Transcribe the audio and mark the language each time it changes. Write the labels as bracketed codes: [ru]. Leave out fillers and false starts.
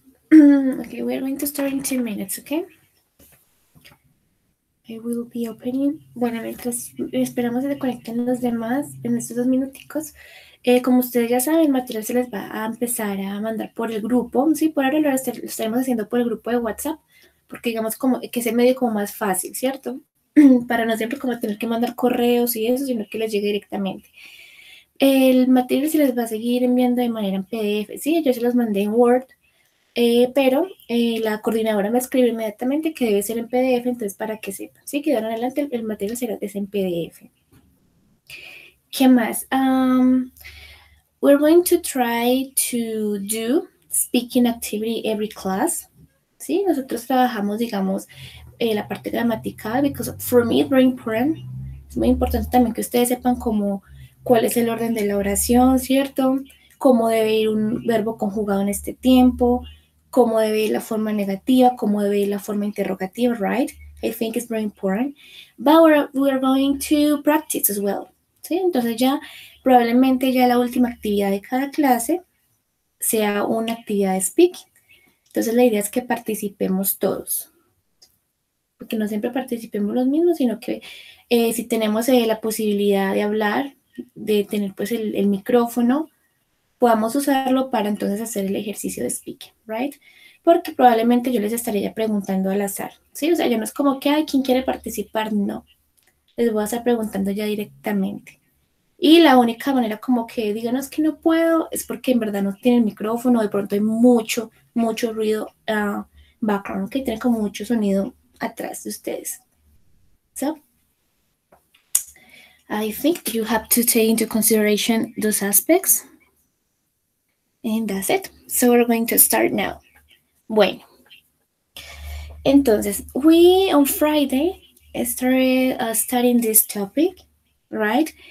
[en] Okay, we're going to start in 10 minutes, okay? I will be opening. [es] Bueno, mientras esperamos que se conecten los demás en estos 2 minuticos, como ustedes ya saben, el material se les va a empezar a mandar por el grupo. Sí, por ahora lo estaremos haciendo por el grupo de WhatsApp, porque digamos como que es el medio como más fácil, ¿cierto? Para no siempre como tener que mandar correos y eso, sino que les llegue directamente. El material se les va a seguir enviando de manera en PDF. Sí, yo se los mandé en Word. Pero la coordinadora me escribe inmediatamente que debe ser en PDF, entonces para que sepan. Sí, que de ahora en adelante el material será en PDF. ¿Qué más? [en] We're going to try to do speaking activity every class. [es] Sí, nosotros trabajamos, digamos, la parte gramatical, [en] because for me it's very important. [es] Es muy importante también que ustedes sepan cómo, cuál es el orden de la oración, ¿cierto? Cómo debe ir un verbo conjugado en este tiempo, cómo debe ir la forma negativa, cómo debe ir la forma interrogativa, [en] right? I think it's very important. But we're going to practice as well, [es] ¿sí? Entonces ya, probablemente ya la última actividad de cada clase sea una actividad de speaking. Entonces la idea es que participemos todos. Porque no siempre participemos los mismos, sino que si tenemos la posibilidad de hablar, de tener pues el micrófono, podamos usarlo para entonces hacer el ejercicio de speaking, [en] right? [es] Porque probablemente yo les estaría preguntando al azar, ¿sí? O sea, ya no es como que, ay, ¿quién quiere participar? No. Les voy a estar preguntando ya directamente. Y la única manera como que digan, no, es que no puedo, es porque en verdad no tienen micrófono, de pronto hay mucho, mucho ruido background, que ¿okay? Tiene como mucho sonido atrás de ustedes. [en] So, I think you have to take into consideration those aspects. And that's it. So we're going to start now. [es] Bueno. Entonces, [en] we on Friday started studying this topic, right?